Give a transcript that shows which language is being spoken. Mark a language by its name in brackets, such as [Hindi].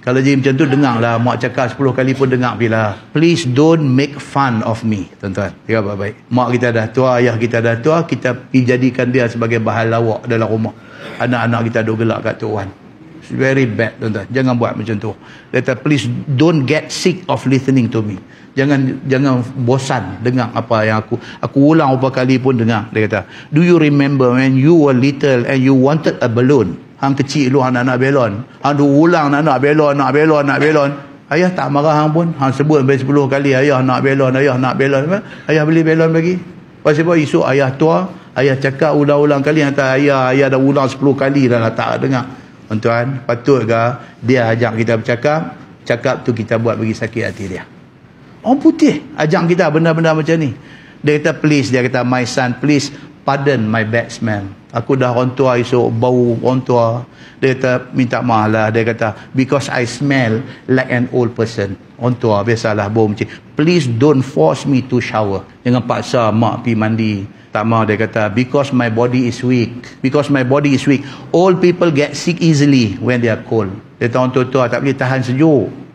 [Malay] Kalau jadi macam tu, dengarlah. Mak cakap 10 kali pun dengar pula. [English] "Please don't make fun of me." [Malay] Tuan-tuan, dengar baik-baik. Mak kita dah tua, ayah kita dah tua, kita jadikan dia sebagai bahan lawak dalam rumah. Anak-anak kita duduk gelak kat tuan. [English] It's very bad, [Malay] tuan-tuan. Jangan buat macam tu. Dia kata, [English] "Please don't get sick of listening to me." [Malay] Jangan bosan dengar apa yang aku ulang berapa kali pun dengar. Dia kata, [English] "Do you remember when you were little and you wanted a balloon?" [Malay] Hang kecil dulu, hang nak belon. Hang duk ulang nak belon. Ayah tak marah hang pun. Hang sebut sampai 10 kali, ayah nak belon. Ayah beli belon lagi. Pasal apa? Esok ayah tua, ayah cakap ulang-ulang kali. Hang tak, ayah dah ulang 10 kali dah lah, tak dengar. Tuan-tuan, patutkah dia ajak kita bercakap? Cakap tu kita buat bagi sakit hati dia. Orang putih ajak kita benda-benda macam ni. Dia kata, [English] "Please," [Malay] dia kata, [English] "My son, please pardon my bad smell. [Malay] Aku dah orang tua esok, bau orang tua." Dia kata, "Minta maaf lah," dia kata, [English] "because I smell like an old person." [Malay] Orang tua biasalah bau macam, [English] "Please don't force me to shower." [Malay] Jangan paksa mak pergi mandi. Tak mahu, dia kata, [English] "Because my body is weak. Old people get sick easily when they are cold." [Malay] Dia kata, "Orang tua-tua tak boleh tahan sejuk.